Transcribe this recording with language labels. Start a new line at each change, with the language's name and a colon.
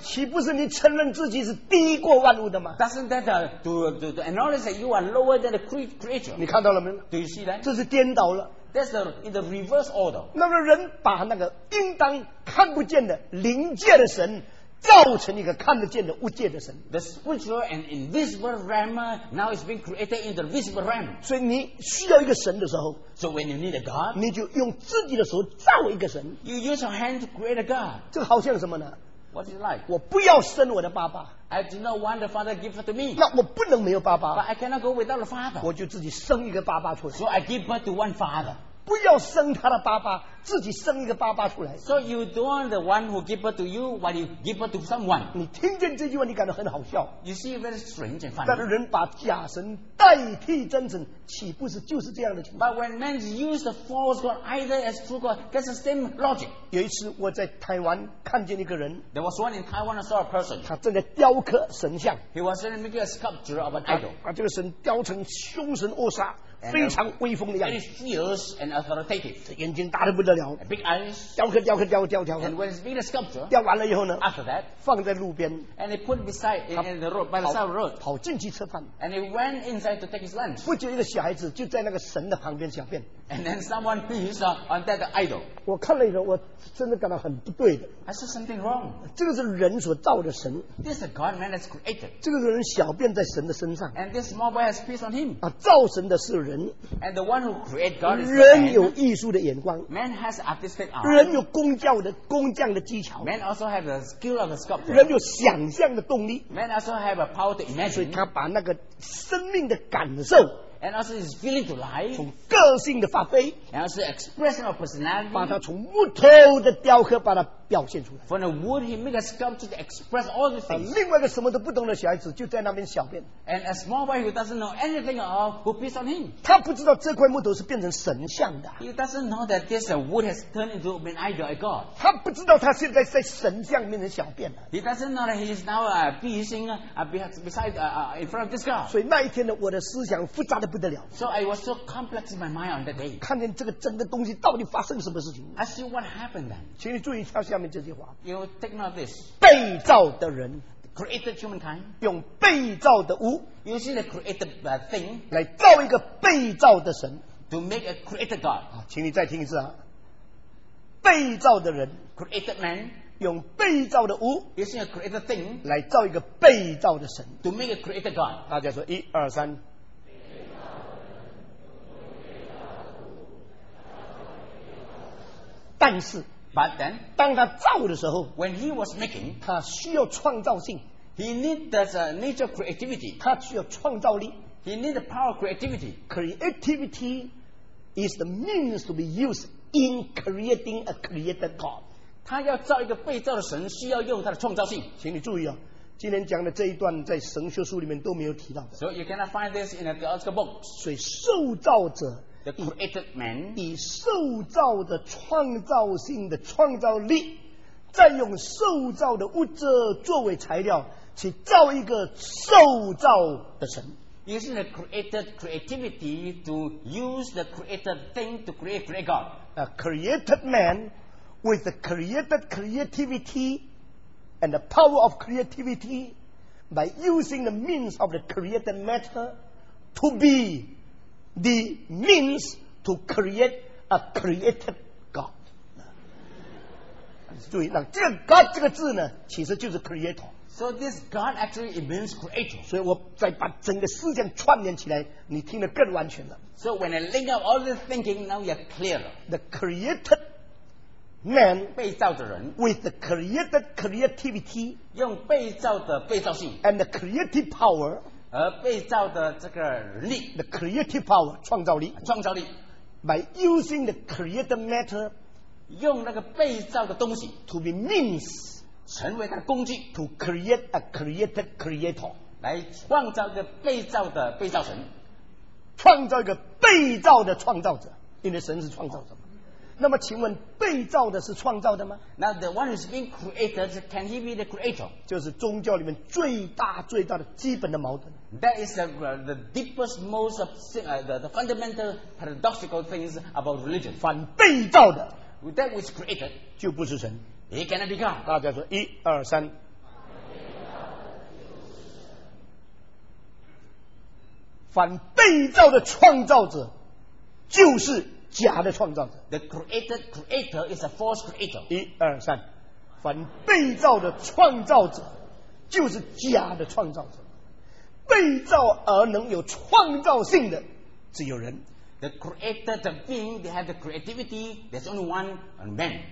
Chinese: 岂不是你承认自己是低过万物的吗？
English: Doesn't that to acknowledge that you are lower than the creature?
Chinese: 你看到了没有？
English: Do you see that?
Chinese: 这是颠倒了。
English: That's in the reverse order.
Chinese: 那么人把那个应当看不见的灵界的神造成一个看得见的物界的神。
English: The spiritual and invisible realm now is being created in the visible realm.
Chinese: 所以你需要一个神的时候，
English: So when you need a God,
Chinese: 你就用自己的手造一个神。
English: You use your hand to create a God.
Chinese: 这好像什么呢？
English: What's it like?
Chinese: 我不要生我的爸爸。
English: I do not want the father to give it to me.
Chinese: 那我不能没有爸爸。
English: But I cannot go without the father.
Chinese: 我就自己生一个爸爸出来。
English: So I give birth to one father.
Chinese: 不要生他的爸爸，自己生一个爸爸出来。
English: So you don't want the one who give birth to you, but you give birth to someone.
Chinese: 你听见这句话，你感到很好笑。
English: You see very strange and funny.
Chinese: 但人把假神代替真神，岂不是就是这样的情况
English: ？But when men use the false god either as true god, that's the same logic.
Chinese: 有一次我在台湾看见一个人。
English: There was one in Taiwan I saw a person.
Chinese: 他正在雕刻神像。
English: He was making a sculpture of an idol.
Chinese: 把这个神雕成凶神恶煞。
English: And
Chinese: 非常威风的样子
English: very fierce and authoritative.
Chinese: 眼睛大得不得了
English: big eyes,
Chinese: 雕刻雕刻雕刻雕刻
English: and when it's being a sculpture,
Chinese: 雕完了以后呢
English: after that,
Chinese: 放在路边
English: and they put beside in the road, by the side of the road,
Chinese: 跑进去吃饭
English: and he went inside to take his lunch.
Chinese: 不久一个小孩子就在那个神的旁边小便
English: and then someone pees on that idol.
Chinese: 我看了以后我真的感到很不对的
English: I saw something wrong.
Chinese: 这个是人所造的神
English: this is a God man that's created.
Chinese: 这个人小便在神的身上
English: and this small boy has pees on him.
Chinese: 啊，造神的是人
English: And the one who created God is man.
Chinese: 人有艺术的眼光。
English: Man has artistic art.
Chinese: 人有工匠的工匠的技巧。
English: Man also has the skill of a sculptor.
Chinese: 人有想象的动力。
English: Man also has a power to imagine.
Chinese: 所以他把那个生命的感受。
English: And also his feeling to life.
Chinese: 从个性的发挥。
English: And also expression of personality.
Chinese: 把它从木头的雕刻把它表现出来。
English: From the wood he made a sculpture to express all the things.
Chinese: 另外一个什么都不懂的小孩子就在那边小便。
English: And a small boy who doesn't know anything at all who pees on him.
Chinese: 他不知道这块木头是变成神像的。
English: He doesn't know that this wood has turned into an idol of God.
Chinese: 他不知道他现在在神像面前小便了。
English: He doesn't know that he is now peeing in front of this God.
Chinese: 所以那一天呢，我的思想复杂的。不得了
English: so I was so complex in my mind on that day.
Chinese: 看见这个真的东西到底发生什么事情
English: I see what happened then.
Chinese: 请你注意下面这句话
English: You take note of this.
Chinese: 被造的人
English: Created humankind.
Chinese: 用被造的物
English: Using the created thing.
Chinese: 来造一个被造的神
English: To make a created God.
Chinese: 请你再听一次啊。被造的人
English: Created man.
Chinese: 用被造的物
English: Using a created thing.
Chinese: 来造一个被造的神
English: To make a created God.
Chinese: 大家说一二三但是
English: But then,
Chinese: 当他造的时候
English: when he was making,
Chinese: 他需要创造性
English: he needs a nature of creativity
Chinese: 他需要创造力
English: he needs the power of creativity creativity is the means to be used in creating a created God
Chinese: 他要造一个被造的神需要用他的创造性请你注意哦今天讲的这一段在神学书里面都没有提到的
English: so you cannot find this in a theological book
Chinese: 所以受造者
English: The created man,
Chinese: 以受造的创造性的创造力，再用受造的物质作为材料，去造一个受造的神。
English: Using the created creativity to use the created thing to create great God. A created man with the created creativity and the power of creativity by using the means of the created matter to be. The means to create a created God.
Chinese: 注意，那这个 God 这个字呢，其实就是 creator.
English: So this God actually it means creator.
Chinese: 所以我再把整个思想串联起来，你听得更完全了。
English: So when I link up all this thinking, now you're clear. The created man
Chinese: 被造的人
English: with the created creativity
Chinese: 用被造的被造性
English: and the creative power.
Chinese: 而被造的这个力
English: The creative power
Chinese: 创造力创造力
English: By using the created matter
Chinese: 用那个被造的东西
English: To be means
Chinese: 成为它的工具
English: To create a created creator
Chinese: 来创造一个被造的被造神创造一个被造的创造者因为神是创造者嘛那么请问被造的是创造的吗
English: Now the one who's been created Can he be the creator
Chinese: 就是宗教里面最大最大的基本的矛盾
English: That is the deepest most of the fundamental paradoxical things about religion
Chinese: 反被造的
English: That which created
Chinese: 就不是神
English: He cannot be God
Chinese: 大家说一二三反被造的创造者就是假的创造者
English: The created creator is a false creator
Chinese: 一二三凡被造的创造者就是假的创造者被造而能有创造性的只有人
English: The creator the being they have the creativity there's only one and man